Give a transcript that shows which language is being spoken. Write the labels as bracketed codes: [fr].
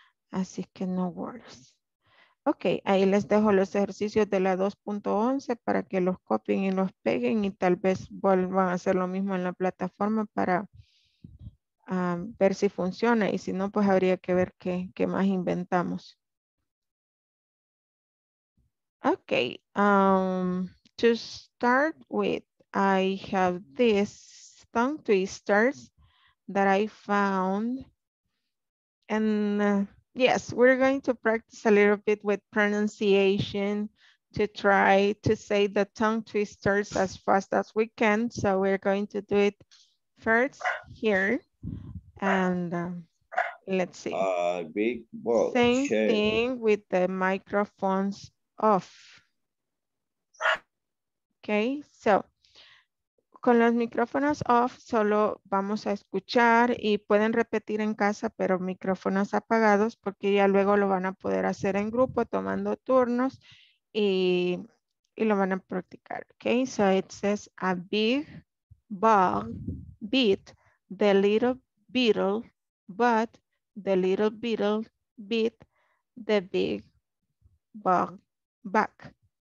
[es] Así que [en] no worries. [es] Ok, ahí les dejo los ejercicios de la 2.11 para que los copien y los peguen y tal vez vuelvan a hacer lo mismo en la plataforma para ver si funciona y si no, pues habría que ver qué más inventamos. [en] Ok, to start with, I have this tongue twisters that I found and... yes, we're going to practice a little bit with pronunciation to try to say the tongue twisters as fast as we can. So we're going to do it first here. And let's see. Big ball. Same thing with the microphones off. [es] Okay, so con los micrófonos off solo vamos a escuchar y pueden repetir en casa, pero micrófonos apagados porque ya luego lo van a poder hacer en grupo tomando turnos y lo van a practicar. [en] Okay, so it says a big bug beat the little beetle, but the little beetle beat the big bug back.